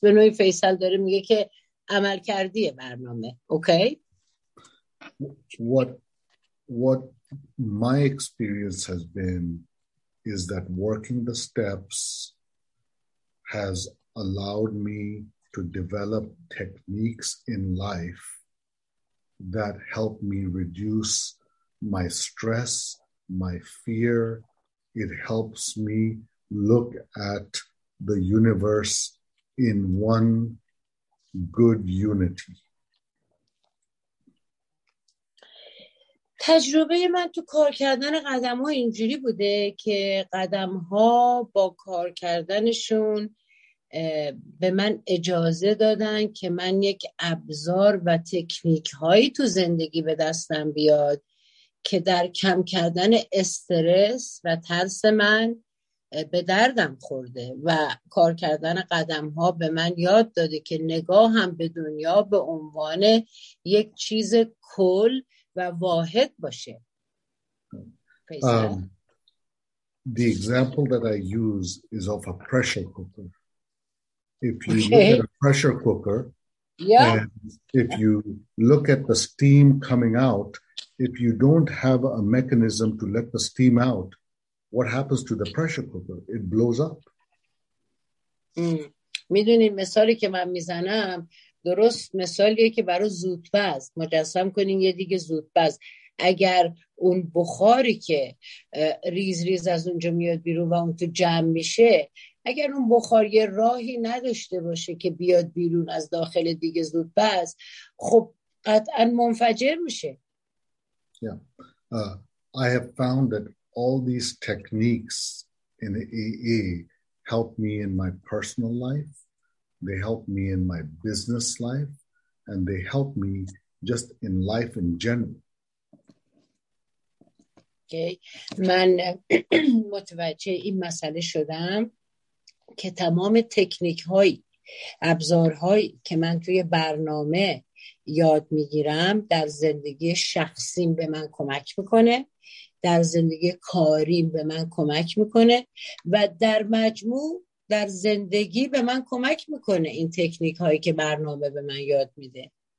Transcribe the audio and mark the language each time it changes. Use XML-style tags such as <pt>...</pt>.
<fa>به نوعی فیصل داره میگه که عمل کردی برنامه.</fa> <en>Okay. What my experience has been is that working the steps has allowed me to develop techniques in life that help me reduce my stress, my fear. It helps me look at the universe in one good unity.</en> <fa>تجربه من تو کار کردن قدم ها اینجوری بوده که قدم ها با کار کردنشون به من اجازه دادن که من یک ابزار و تکنیک هایی تو زندگی به دستم بیاد که در کم کردن استرس و ترس من به دردم خورده و کار کردن قدم ها به من یاد داده که نگاهم به دنیا به عنوان یک چیز کل و واحد باشه.</fa> <en>The example that I use is of a pressure cooker. If you look at a pressure cooker, if you look at the steam coming out, if you don't have a mechanism to let the steam out, what happens to the pressure cooker? It blows up.</en> <fa>میدونین مثالی که من میزنم درست مثالیه که برای زودپز مجسم کنین، یه دیگه زودپز. اگر اون بخاری که ریز ریز از اونجا میاد بیرون و اون تو جمع میشه، اگر اون بخار یه راهی نداشته باشه که بیاد بیرون از داخل دیگه زودپز، خب قطعا منفجر میشه.</fa> <en>I have found that all these techniques in the AA help me in my personal life, they help me in my business life, and they help me just in life in general. Okay.</en> <fa>من متوجه این مسئله شدم که تمام تکنیک های ابزارهایی که من توی برنامه یاد میگیرم در زندگی شخصیم به من کمک میکنه، در زندگی کاریم به من کمک میکنه و در مجموع در زندگی به من کمک میکنه این تکنیک هایی که برنامه به من یاد میده.</fa>